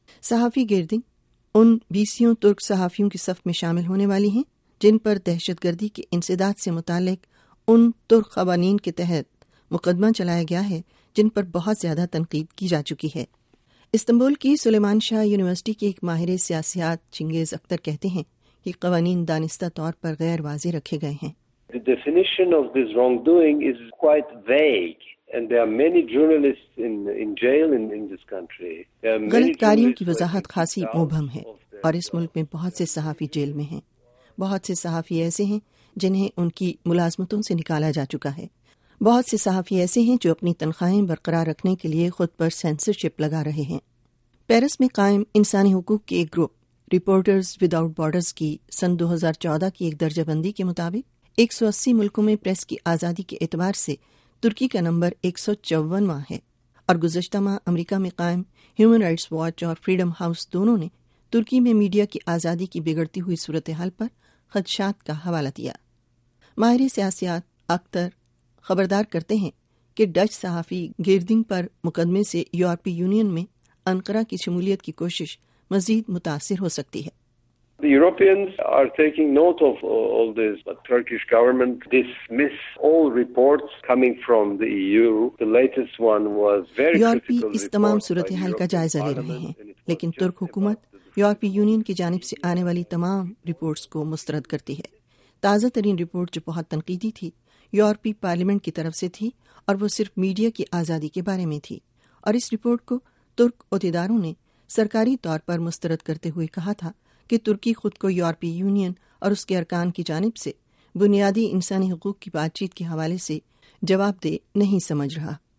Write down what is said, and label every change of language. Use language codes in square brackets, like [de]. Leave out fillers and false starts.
[ur] صحافی گیردنگ ان بیسیوں ترک صحافیوں کی صف میں شامل ہونے والی ہیں جن پر دہشت گردی کے انسداد سے متعلق ان ترک قوانین کے تحت مقدمہ چلایا گیا ہے جن پر بہت زیادہ تنقید کی جا چکی ہے۔ استنبول کی سلیمان شاہ یونیورسٹی کے ایک ماہر سیاسیات چنگیز اختر کہتے ہیں کہ قوانین دانستہ طور پر غیر واضح رکھے گئے ہیں۔ [en] The definition of this wrongdoing is quite vague. And there are many journalists in jail in this country. [ur] غلط کاریوں کی وضاحت خاصی مبہم ہے، اور اس ملک میں بہت سے صحافی جیل میں ہیں۔ بہت سے صحافی ایسے ہیں جنہیں ان کی ملازمتوں سے نکالا جا چکا ہے۔ بہت سے صحافی ایسے ہیں جو اپنی تنخواہیں برقرار رکھنے کے لیے خود پر سینسرشپ لگا رہے ہیں۔ پیرس میں قائم انسانی حقوق کے ایک group reporters with out borders کی سن 2014 کی ایک درجہ بندی کے مطابق 180 ملکوں میں پریس کی آزادی کے اعتبار سے ترکی کا نمبر 154واں ہے، اور گزشتہ ماہ امریکہ میں قائم ہیومن رائٹس واچ اور فریڈم ہاؤس دونوں نے ترکی میں میڈیا کی آزادی کی بگڑتی ہوئی صورتحال پر خدشات کا حوالہ دیا۔ ماہر سیاسیات اختر خبردار کرتے ہیں کہ ڈچ صحافی گیردنگ پر مقدمے سے یورپی یونین میں انقرہ کی شمولیت کی کوشش مزید متاثر ہو سکتی ہے۔ [en] The Europeans are taking note of all this, but Turkish government dismiss all reports coming from the EU. The latest one was very critical report. [ur] اس تمام صورتحال کا جائزہ لے رہے ہیں، لیکن ترک حکومت یورپی یونین کی جانب سے آنے والی تمام رپورٹس کو مسترد کرتی ہے۔ تازہ ترین رپورٹ جو بہت تنقیدی تھی یورپی پارلیمنٹ کی طرف سے تھی، اور وہ صرف میڈیا کی آزادی کے بارے میں تھی، اور اس رپورٹ کو ترک عہدیداروں نے سرکاری طور پر مسترد کرتے ہوئے کہا تھا کہ ترکی خود کو یورپی یونین اور اس کے ارکان کی جانب سے بنیادی انسانی حقوق کی بات چیت کے حوالے سے جواب دہ نہیں سمجھ رہا۔